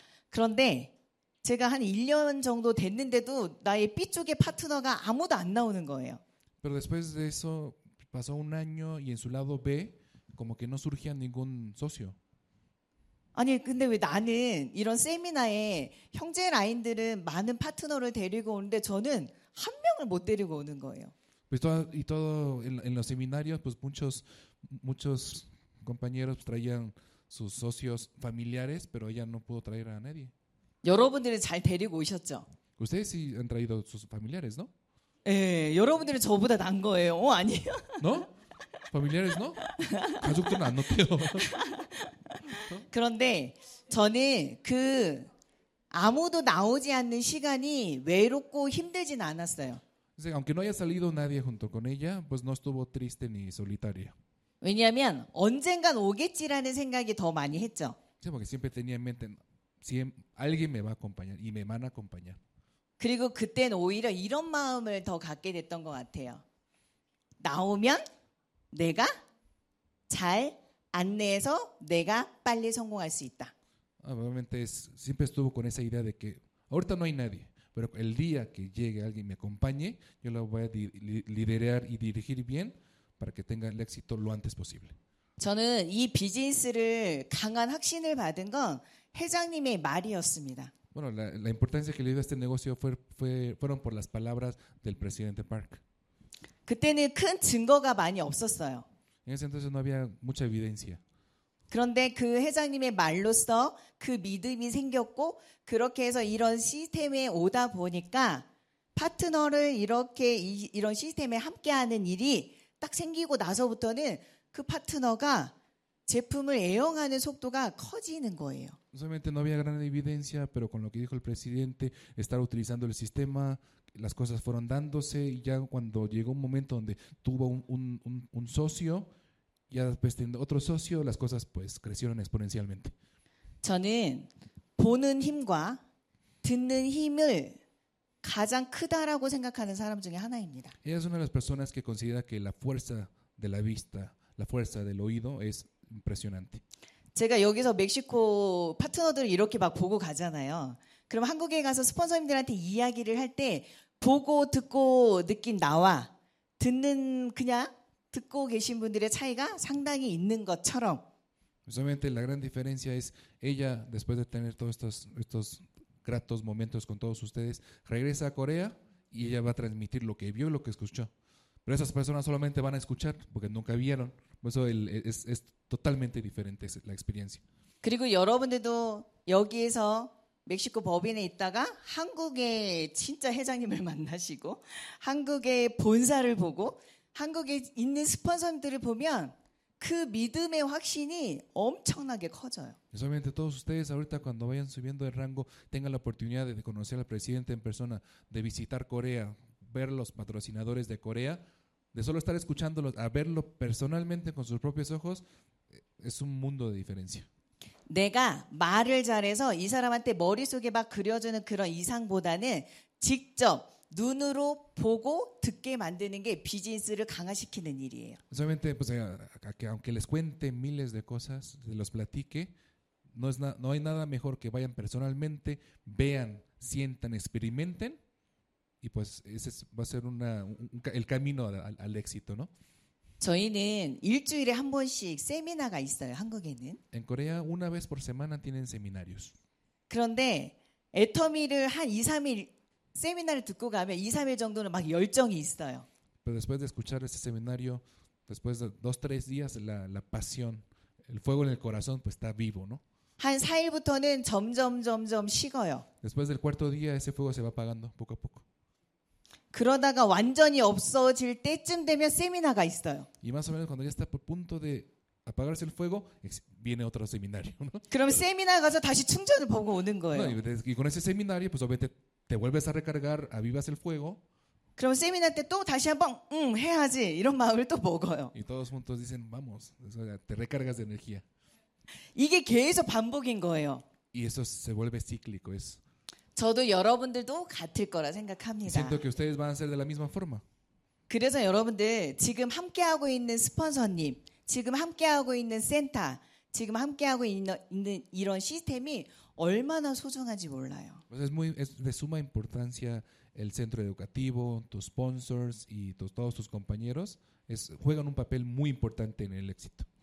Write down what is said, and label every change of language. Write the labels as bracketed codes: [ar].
[ko] 그런데 제가 한 1년 정도 됐는데도 나의 B 쪽의 파트너가 아무도 안 나오는 거예요. [es] Pero después de eso pasó un año y en su lado B como que no surgía ningún socio. [ko] 아니 근데 왜 나는 이런 세미나에 형제 라인들은 많은 파트너를 데리고 오는데 저는 한 명을 못 데리고 오는 거예요. [es] Pues todo en los seminarios pues muchos compañeros traían sus socios familiares, pero ella no pudo traer a nadie. [ko] 여러분들은 잘 데리고 오셨죠? [es] Ustedes sí han traído sus familiares, ¿no? [ko] 예, 여러분들은 저보다 난 거예요. 어, 아니에요? [es] ¿No? Familiares, ¿no? [ko] 가족들은 안 높여요. 그런데 저는 그 아무도 나오지 않는 시간이 외롭고 힘들진 않았어요. [es] Dice, aunque no haya salido nadie junto con ella, pues no estuvo triste ni solitaria. [ko] 왜냐하면 언젠간 오겠지라는 생각이 더 많이 했죠. [es] Sí, porque siempre tenía en mente si alguien me va a acompañar y me van a acompañar. [ko] 그리고 그때는 오히려 이런 마음을 더 갖게 됐던 것 같아요. 나오면 내가 잘 안내해서 내가 빨리 성공할 수 있다. [es] Obviamente siempre estuvo con esa idea de que ahorita no hay nadie, pero el día que llegue alguien me acompañe, yo lo voy a liderar y dirigir bien para que tenga el éxito lo antes posible. [ko] 저는 이 비즈니스를 강한 확신을 받은 건 회장님의 말이었습니다. [es] Bueno, la importancia que le dio a este negocio fueron por las palabras del presidente Park. [ko] 그때는 큰 증거가 많이 없었어요. [es] En ese entonces no había mucha evidencia. [ko] 그런데 그 회장님의 말로써 그 믿음이 생겼고 그렇게 해서 이런 시스템에 오다 보니까 파트너를 이렇게 이런 시스템에 함께하는 일이 딱 생기고 나서부터는 그 파트너가 제품을 애용하는 속도가 커지는 거예요. [es] Solamente no había gran evidencia, pero con lo que dijo el presidente, estar utilizando el sistema, las cosas fueron dándose y ya cuando llegó un momento donde tuvo un socio, ya después teniendo otro socio, las cosas pues crecieron exponencialmente. [ko] 저는 보는 힘과 듣는 힘을 가장 크다라고 생각하는 사람 중에 하나입니다. [es] Ella es una de las personas que considera que la fuerza de la vista, la fuerza del oído es impresionante. [ko] 제가 여기서 멕시코 파트너들을 이렇게 막 보고 가잖아요. 그럼 한국에 가서 스폰서님들한테 이야기를 할 때 보고 듣고 느낀 나와 듣는 그냥 듣고 계신 분들의 차이가 상당히 있는 것처럼. [es] Justamente la gran diferencia es ella después de tener todos estos gratos momentos con todos ustedes regresa a Corea y ella va a transmitir lo que vio y lo que escuchó. Pero esas personas solamente van a escuchar porque nunca vieron. Por eso es totalmente diferente la experiencia. [ko] 그리고 여러분들도 여기에서 멕시코 법인에 있다가 한국의 진짜 회장님을 만나시고 한국의 본사를 보고 한국에 있는 스폰서들을 보면 그 믿음의 확신이 엄청나게 커져요. [es] Solamente todos ustedes ahorita cuando vayan subiendo de rango tengan la oportunidad de conocer al presidente en persona, de visitar Corea, ver los patrocinadores de Corea, de solo estar escuchándolo a verlo personalmente con sus propios ojos es un mundo de diferencia. [ko] 내가 말을 잘해서 이 사람한테 머릿속에 막 그려주는 그런 이상보다는 직접 눈으로 보고 듣게 만드는 게 비즈니스를 강화시키는 일이에요. [es] Solamente pues que aunque les cuente miles de cosas, los platique, no hay nada mejor que vayan personalmente, vean, sientan, experimenten. Y pues ese va a ser el camino al éxito, ¿no? [ko] 저희는 일주일에 한 번씩 세미나가 있어요, 한국에는. [es] En Corea una vez por semana tienen seminarios. [ko] 그런데 애터미를 한 2, 3일 세미나를 듣고 가면 2, 3일 정도는 막 열정이 있어요. [es] Pero después de escuchar ese seminario, después de 2, 3 días la pasión, el fuego en el corazón pues está vivo, ¿no? [ko] 한 4일부터는 점점 식어요. [es] Después del cuarto día ese fuego se va apagando poco a poco. [ko] 그러다가 완전히 없어질 때쯤 되면 세미나가 있어요. [es] Y más o menos cuando ya está por punto de apagarse el fuego, viene otro seminario. ¿No? [ko] 그럼 세미나 가서 다시 충전을 보고 오는 거예요. [es] No, y con ese seminario, pues obviamente te vuelves a recargar, avivas el fuego. [ko] 그럼 세미나 때 또 다시 한번 해야지 이런 마음을 또 먹어요. [es] Y todos juntos dicen vamos, te recargas de energía. [ko] 이게 계속 반복인 거예요. [es] Y eso se vuelve cíclico, es. [ko] 저도 여러분들도 같을 거라 생각합니다. [es] Siento que ustedes van a ser de la misma forma. [ko] 그래서 여러분들 지금 함께하고 있는 스폰서님, 지금 함께하고 있는 센터, 지금 함께하고 있는 이런 시스템이 얼마나 소중한지 몰라요. [es] Pues es de suma importancia el centro educativo, tus sponsors y todos tus compañeros juegan un papel muy importante en el éxito.